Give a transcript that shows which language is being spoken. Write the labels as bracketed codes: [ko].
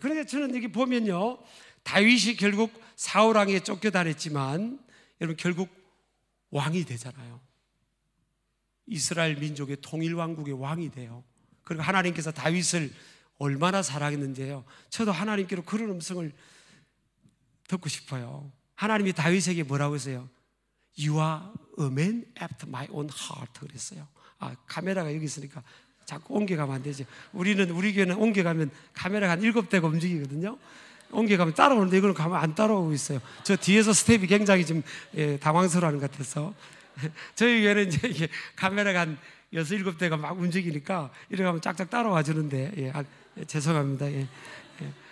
[ko] 그런데 저는 여기 보면요, 다윗이 결국 사울왕에 쫓겨다녔지만 여러분 결국 왕이 되잖아요. 이스라엘 민족의 통일왕국의 왕이 돼요. 그리고 하나님께서 다윗을 얼마나 사랑했는지요. 저도 하나님께로 그런 음성을 듣고 싶어요. 하나님이 다윗에게 뭐라고 했어요? [en] You are a man after my own heart [ko] 그랬어요. 아, 카메라가 여기 있으니까 자꾸 옮겨가면 안 되죠. 우리는, 우리 교회는 옮겨가면 카메라가 한 일곱 대가 움직이거든요. 옮겨가면 따라오는데 이거는 가면 안 따라오고 있어요. 저 뒤에서 스텝이 굉장히 지금 당황스러워하는 것 같아서. 저희 교회는 이제 이게 카메라가 한 여섯 일곱 대가 막 움직이니까 이렇게 하면 짝짝 따라와 주는데, 예, 아, 예, 죄송합니다. 예, 예.